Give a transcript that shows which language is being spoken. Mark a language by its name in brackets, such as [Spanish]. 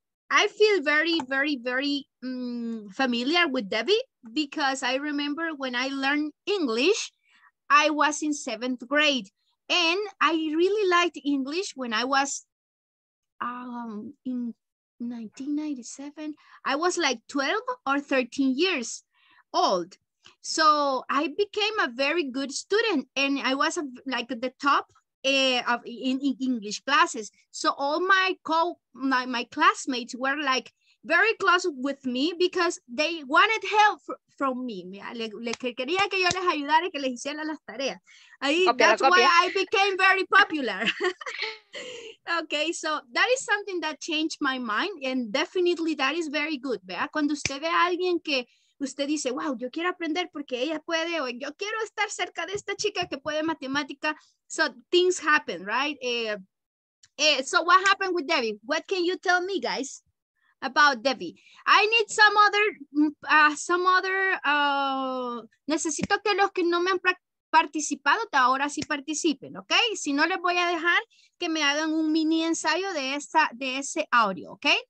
[English] I feel very, very, very familiar with Debbie, because I remember when I learned English, I was in seventh grade, and I really liked English when I was in 1997, I was like 12 or 13 years old. So I became a very good student, and I was like the top in English classes. So all my classmates were like very close with me because they wanted help from me. [Spanish] Le quería que yo les ayudara y que les hiciera las tareas. [English] That's why I became very popular. Okay, so that is something that changed my mind, and definitely that is very good, ¿verdad? [Spanish] Cuando usted ve a alguien que usted dice, wow, yo quiero aprender porque ella puede, o yo quiero estar cerca de esta chica que puede matemática. [English] So things happen, right? So what happened with Debbie? What can you tell me, guys, about Debbie? [Spanish] I need necesito que los que no me han participado, ahora sí participen, ¿ok? Si no, les voy a dejar que me hagan un mini ensayo de ese audio, ¿ok?